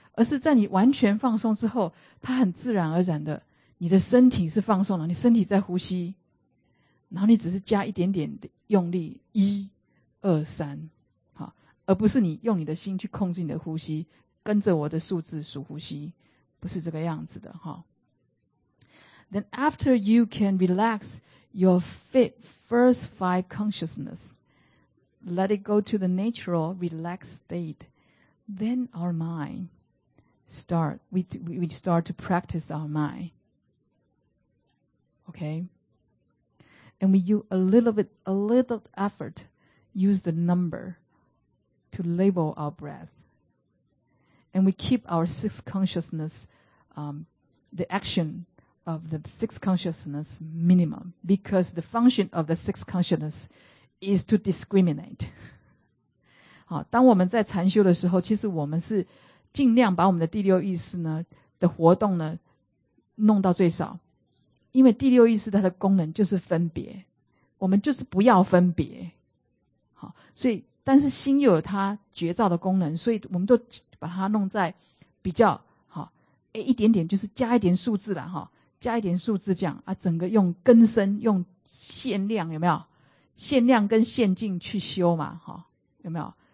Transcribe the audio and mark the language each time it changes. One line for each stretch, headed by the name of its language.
Chinese: 而是在你完全放松之后，它很自然而然的，你的身体是放松了，你身体在呼吸，然后你只是加一点点的用力，一、二、三，好，而不是你用你的心去控制你的呼吸，跟着我的数字数呼吸，不是这个样子的，哈。
English: Then after you can relax your first five consciousness, let it go to the natural relaxed state, then our mind start, we start to practice our mind. Okay? And we use a little effort, use the number to label our breath. And we keep our sixth consciousness, the action of the sixth consciousness minimum, because the function of the sixth consciousness is to discriminate.
Chinese: 好，当我们在禅修的时候，其实我们是尽量把我们的第六意识呢的活动呢弄到最少，因为第六意识它的功能就是分别，我们就是不要分别。好，所以但是心又有它觉照的功能，所以我们都把它弄在比较好，一点点，就是加一点数字啦，哈，加一点数字这样啊，整个用根深，用限量，有没有限量跟限境去修嘛，哈，有没有？